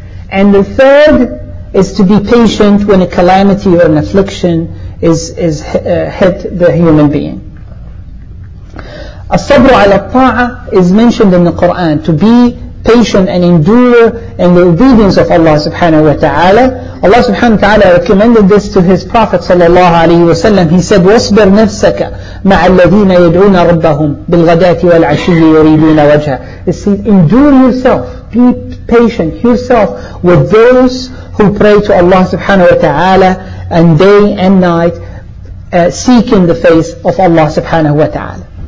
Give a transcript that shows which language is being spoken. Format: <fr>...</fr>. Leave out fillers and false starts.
<en>And the third is to be patient when a calamity or an affliction hit the human being. As-sabr ala ta'a is mentioned in the Quran, to be patient and endure in the obedience of Allah subhanahu wa ta'ala. Allah subhanahu wa ta'ala recommended this to his Prophet sallallahu alayhi wa sallam. He said,</en> <ar>وَاصْبِرْ نَفْسَكَ مَعَ الَّذِينَ يَدْعُونَ رَبَّهُمْ بِالْغَدَاتِ وَالْعَشِيِّ يُرِيدُونَ وَجْهَ.</ar> <en>It says, endure yourself, be patient yourself with those who pray to Allah subhanahu wa ta'ala and day and night, seeking the face of Allah subhanahu wa ta'ala.</en>